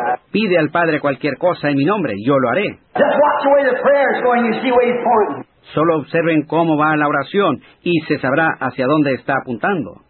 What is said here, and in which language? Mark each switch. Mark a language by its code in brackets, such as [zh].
[es] Pide al Padre cualquier cosa en mi nombre, yo lo haré. [en] Just watch the way the prayer is going, you see where he's pointing. [es] Solo observen cómo va la oración y se sabrá hacia dónde está apuntando.